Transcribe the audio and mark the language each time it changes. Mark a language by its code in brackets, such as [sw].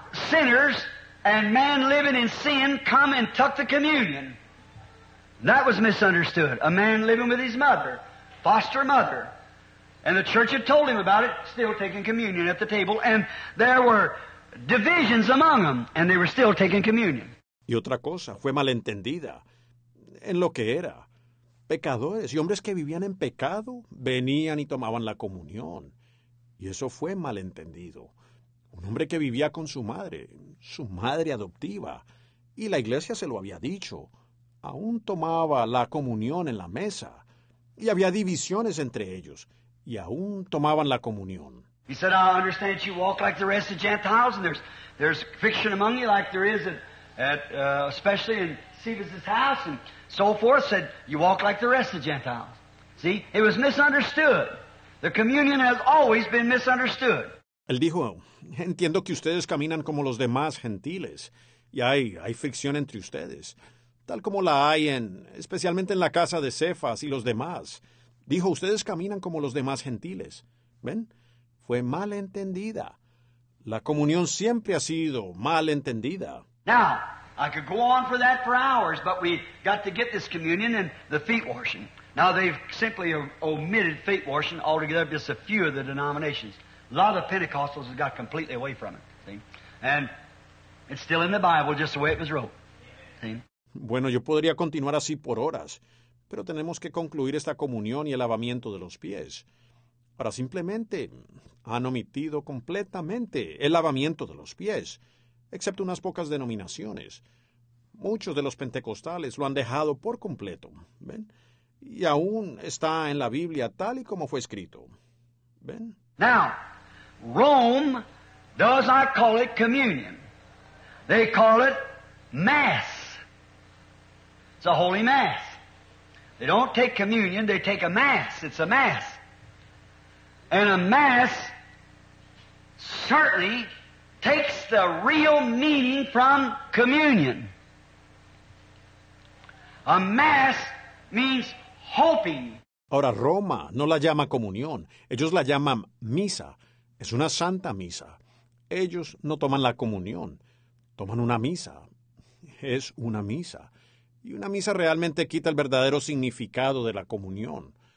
[en] Sinners and man living in sin come and took the communion. That was misunderstood. A man living with his mother, foster mother. And the church had told him about it, still taking communion at the table. And there were divisions among them, and they were still taking communion. [es] Y otra cosa, fue malentendida en lo que era. Pecadores y hombres que vivían en pecado venían y tomaban la comunión. Y eso fue malentendido. Un hombre que vivía con su madre adoptiva, y la iglesia se lo había dicho. Aún tomaba la comunión en la mesa, y había divisiones entre ellos, y aún tomaban la comunión. [en] He said, I understand you walk like the rest of Gentiles, and there's friction among you like there is especially in Cephas's house, and so forth. Said, you walk like the rest of Gentiles. See, it was misunderstood. The communion has always been misunderstood. [es] Él dijo, entiendo que ustedes caminan como los demás gentiles, y hay fricción entre ustedes, tal como la hay especialmente en la casa de Cefas y los demás. Dijo, ustedes caminan como los demás gentiles. ¿Ven? Fue mal entendida. La comunión siempre ha sido mal entendida. [en] Now, I could go on for that for hours, but we've got to get this communion and the feet washing. Now, they've simply omitted feet washing altogether, just a few of the denominations. A lot of Pentecostals have got completely away from it, see? And it's still in the Bible, just the way it was wrote, see? [es] Bueno, yo podría continuar así por horas, pero tenemos que concluir esta comunión y el lavamiento de los pies. Ahora, simplemente han omitido completamente el lavamiento de los pies, excepto unas pocas denominaciones. Muchos de los pentecostales lo han dejado por completo, ¿ven? Y aún está en la Biblia tal y como fue escrito, ¿ven? [en] Now, Rome does not call it communion. They call it mass. It's a holy mass. They don't take communion, they take a mass. It's a mass. And a mass certainly takes the real meaning from communion. A mass means hoping. [es] Ahora, Roma no la llama comunión. Ellos la llaman misa. Es una santa misa. Ellos no toman la comunión. Toman una misa. Es una misa. Y una misa realmente quita el verdadero significado de la comunión.